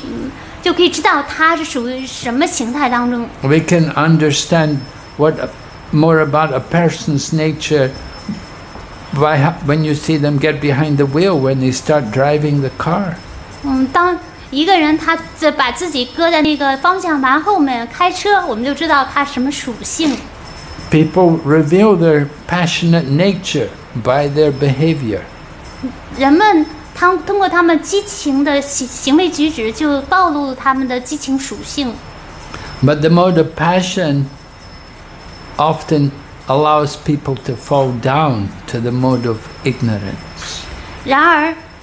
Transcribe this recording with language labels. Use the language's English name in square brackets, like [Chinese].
[Chinese] 所以我们通过一个人的穿着打扮，就可以知道他是属于什么形态当中。 [English] We can understand what more about a person's nature by when you see them get behind the wheel when they start driving the car. [Chinese] 当一个人他把自己搁在那个方向盘后面开车，我们就知道他什么属性。 [English] People reveal their passionate nature by their behavior. [Chinese] 人们通过他们激情的行为举止就暴露了他们的激情属性。 [English] But the mode of passion often allows people to fall down to the mode of ignorance.